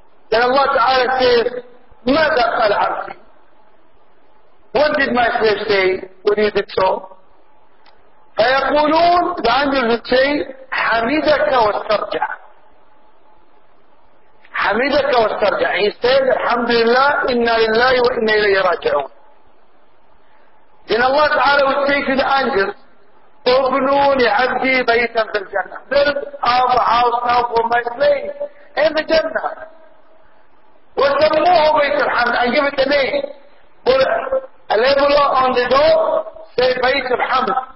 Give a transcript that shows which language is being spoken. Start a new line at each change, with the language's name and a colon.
English: Then Allah Ta'ala says,
Arabic: ماذا قال عبدي?
English: What did my slave say when you did so?
Arabic: فيقولون,
English: the angels would say,
Arabic: حمدك واسترجع. حمدك واسترجع.
English: He said,
Arabic: الحمد لله, إنا لله وإنا إليه راجعون.
English: Then Allah Ta'ala would say to the angels,
Arabic: ابنوا لعبدي بيتا في الجنة.
English: Build up a house now for my slave in the Jannah.
Arabic: وسموه بيت الحمد,
English: and give it a name. Put a label on the door, say
Arabic: بيت الحمد,